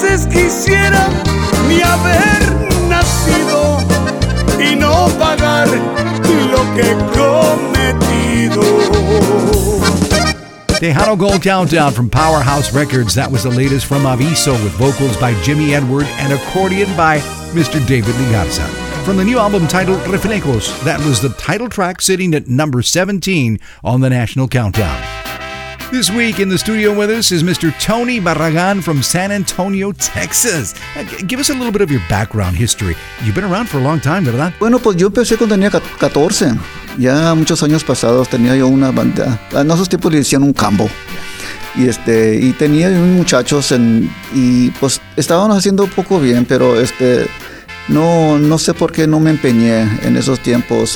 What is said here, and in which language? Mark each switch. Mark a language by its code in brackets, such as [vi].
[es] quisiera ni haber nacido y no pagar lo que he cometido. [en] Tejano Gold Countdown from Powerhouse Records. That was the latest from Aviso, with vocals by Jimmy Edward and accordion by Mr. David Ligarza. From the new album titled Reflejos, that was the title track, sitting at number 17 on the national countdown. This week in the studio with us is Mr. Tony Barragan from San Antonio, Texas. Give us a little bit of your background history. You've been around for a long time, ¿verdad? [es] Bueno, pues yo empecé cuando tenía 14. Ya muchos años pasados tenía yo una banda. En esos tiempos le decían un cambo. Y y tenía unos muchachos y pues estábamos haciendo un poco bien, pero no sé por qué no me empeñé en esos tiempos.